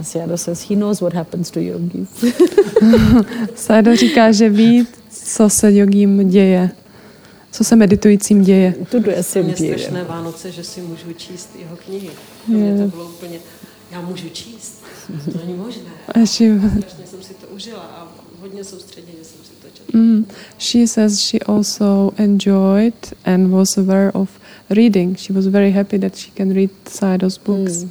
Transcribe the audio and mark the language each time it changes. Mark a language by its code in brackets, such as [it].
[en] Sayadaw says he knows what happens to yogis. [cs] Sayadaw říká, že ví, co se yogím děje, co se meditujícím děje. To je strašné Vánoce, že si můžu číst jeho knihy. Yeah. Mě to bylo úplně, já můžu číst, to není možné. Strašně jsem si to užila a hodně soustředěně jsem si to četla. Mm. [en] She says she also enjoyed and was aware of reading. She was very happy that she can read Sayadaw's books.